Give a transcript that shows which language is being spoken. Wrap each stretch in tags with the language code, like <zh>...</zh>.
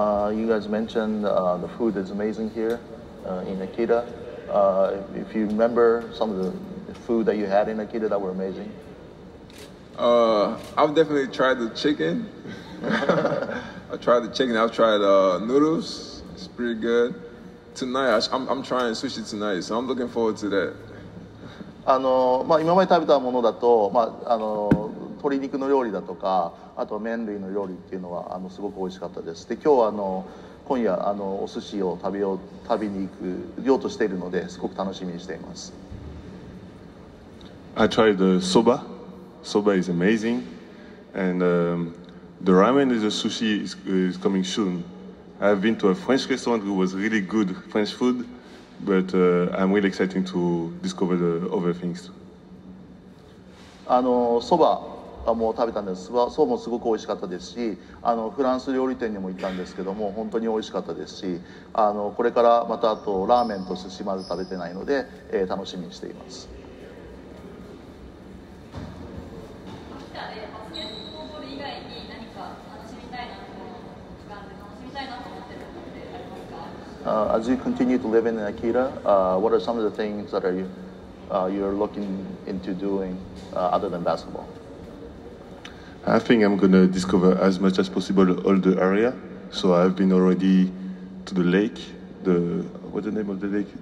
<en>You guys mentioned the food is amazing here. In Akita, if you remember some of the food that you had in Akita that were amazing. I've definitely tried the chicken. I've tried noodles. It's pretty good. Tonight, I'm trying sushi tonight, so I'm looking forward to that.</en> <ja>あの、まあ、今まで食べたものだと、まあ、あの鶏肉の料理だとか、あと麺類の料理っていうのはあのすごく美味しかったです。で、今日はあの今夜あのお寿司を食べに行くようとしているので、すごく楽しみにしています。</ja> <en>I tried the soba. Soba is amazing. And the ramen is a sushi is coming soon. I've been to a French restaurant who was really good French food, but I'm really excited to discover the other things.</en> <ja>あのそばもう食べたんです。そうもすごく美味しかったですし、あのフランス料理店にも行ったんですけども、本当に美味しかったですし、あのこれからまたあとラーメンと寿司まで食べてないので、楽しみにしています。秋田でバスケットボール以外に何か楽しみたいなと思ってるのってありますか？</ja> <en>as you continue to live in Akira, what are some of the things that are you, you're looking into doing other than basketball? I think I'm going to discover as much as possible all the area. So I've been already to the lake, the, what's the name of the lake?</en>